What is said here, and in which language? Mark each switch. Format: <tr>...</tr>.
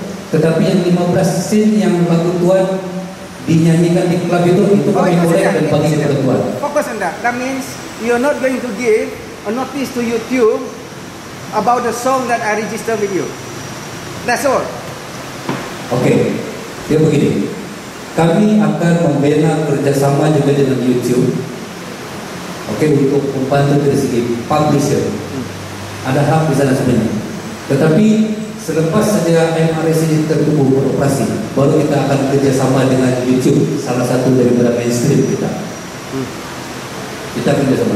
<ms>tetapi yang 15 sin yang lagu tuan dinyanyikan di klub itu kami boleh dan bagi kepada tuan. Fokus anda,</ms> <en>that means you're not going to give a notice to YouTube about the song that I register with you. That's all.</en> <ms>Okay, dia begini. Kami akan membina kerjasama juga dengan YouTube. Okay, untuk membantu dari segi publisher. Ada hak di sana sebenarnya. Tetapi selepas saja MRS ini tertubuh beroperasi, baru kita akan kerjasama dengan YouTube, salah satu dari beberapa mainstream kita. Kita kerjasama.</ms>